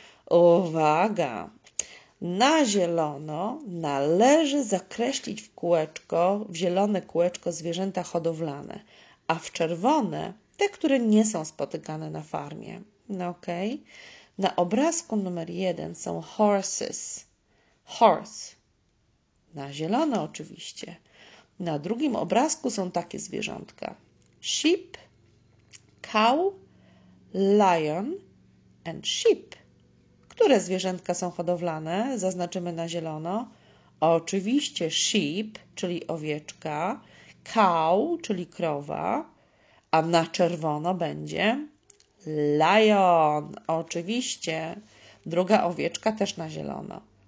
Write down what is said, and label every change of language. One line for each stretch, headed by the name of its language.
Polish: Uwaga! Na zielono należy zakreślić w kółeczko, w zielone kółeczko zwierzęta hodowlane, a w czerwone te, które nie są spotykane na farmie. No, okay. Na obrazku numer 1 są horses. Horse. Na zielono oczywiście. Na drugim obrazku są takie zwierzątka.
English: Sheep, cow, lion and sheep.
Polish: Które zwierzętka są hodowlane? Zaznaczymy na zielono. Oczywiście sheep, czyli owieczka, cow, czyli krowa, a na czerwono będzie lion. Oczywiście druga owieczka też na zielono.